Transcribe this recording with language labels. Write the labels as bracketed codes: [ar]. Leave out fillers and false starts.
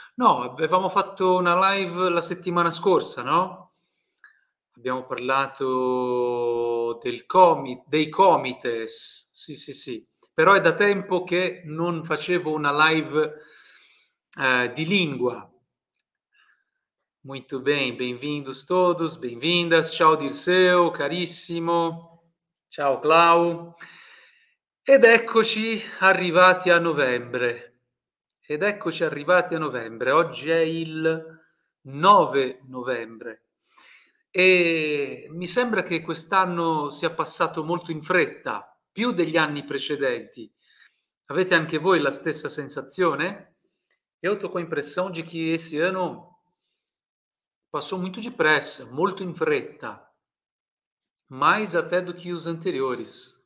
[it] No, avevamo fatto una live la settimana scorsa, no? Abbiamo parlato dei comites, sì, però è da tempo che non facevo una live di lingua. [pt] Muito bem, bem-vindos todos, bem-vindas, [it] ciao Dirceu, carissimo, ciao Clau. Ed eccoci arrivati a novembre, ed eccoci arrivati a novembre, oggi è il 9 novembre. E mi sembra che quest'anno sia passato molto in fretta, più degli anni precedenti. Avete anche voi la stessa sensazione? Io ho questa impressione di che [pt] esse ano passou muito depressa, [it] molto in fretta, [pt] mais até do que os anteriores.